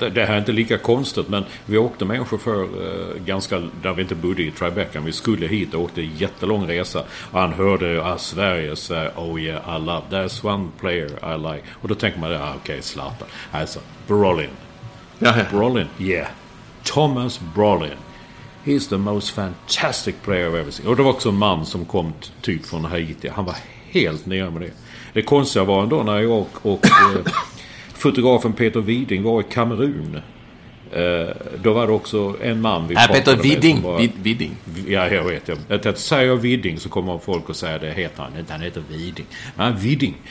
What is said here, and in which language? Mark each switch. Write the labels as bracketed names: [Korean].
[Swedish] Det här är inte lika konstigt, men vi åkte med en chaufför ganska, där vi inte bodde i Tribeca. Vi skulle hit och åkte en jättelång resa. Och han hörde Sverige, [English] oh yeah, I love, there's one player I like. [Swedish] Och då tänker man, okej, Zlatan. Alltså, Brolin. Jaha. [English] Brolin, yeah. Thomas Brolin. He's the most fantastic player I've ever seen. [Swedish] Och det var också en man som kom typ från Haiti. Han var helt nere med det. Det konstiga var ändå när jag och fotografen Peter Widing var i Kamerun. Då var det också en man vi pratade Peter Widing. Widing. Ja, jag vet. Jag säger jag Widing, så kommer folk och säger, det heter han. Han heter Widing. Men Widing.